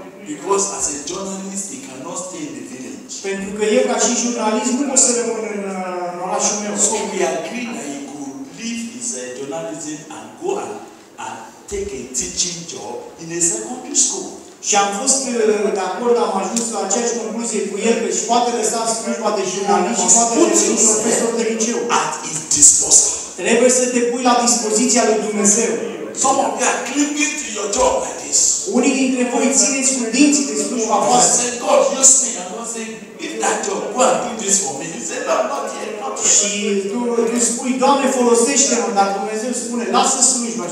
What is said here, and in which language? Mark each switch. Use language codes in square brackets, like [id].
[en] Because as a journalist, he cannot stay in the village. [ro] Pentru că eu, ca și jurnalist, nu pot să rămân în orașul meu. [en] So we agreed that he could leave his journalism and go and take a teaching job in a secondary school. [ro] Și am fost de acord, am ajuns la aceeași concluzie cu el, că și poate lăsa slujba de jurnalist și poate lăsa un profesor de liceu. [en] At his disposal. [ro] Trebuie să te pui la dispoziția lui Dumnezeu. [en] Some of you are clinging to your job like this. [ro] Unii dintre voi țineți cu dinții de slujba voastră. [en] Say, God, use me. I'm not saying, give that job. Go and do this for me. He said, no, not yet, not yet. [ro] Și tu spui, Doamne, folosește-mă, dar Dumnezeu spune, lasă slujba.